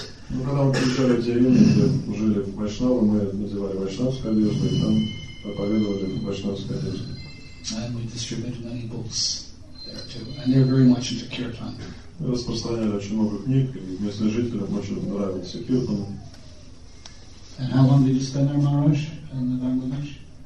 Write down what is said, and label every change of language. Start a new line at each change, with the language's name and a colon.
Russian: Ну, когда мы приезжали в деревни, где жили в Вайшнаве, мы надевали вайшнавскую одежду, и там проповедовали вайшнавскую одежду.
English: And we distributed many books there too. And they're very much into kirtan.
Russian: Мы распространяли очень много книг, и местным жителям очень нравился киртан.
English: And how long did you spend there, Maharaj, in the Bangladesh?